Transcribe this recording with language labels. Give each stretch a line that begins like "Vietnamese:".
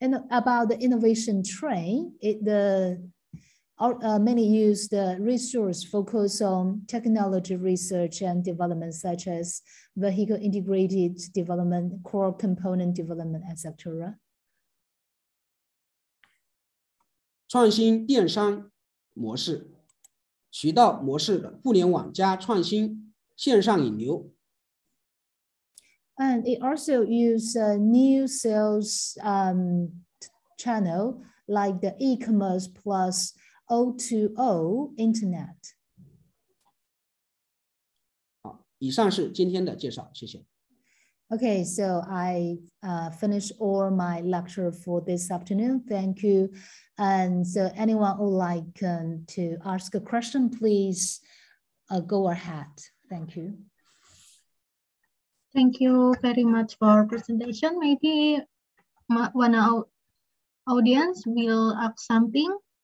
English: About the innovation train, many use the resource focus on technology research and development, such as vehicle integrated development, core component development, etc.
Chinese: 创新电商模式，渠道模式的互联网加创新，线上引流。
English: And it also uses a new sales channel like the e-commerce plus O2O internet.
Chinese: 好，以上是今天的介绍，谢谢。
English: Okay, so I finished all my lecture for this afternoon. Thank you. And so anyone would like to ask a question, please go ahead. Thank you. Thank you very much for our presentation. Maybe one audience will ask something.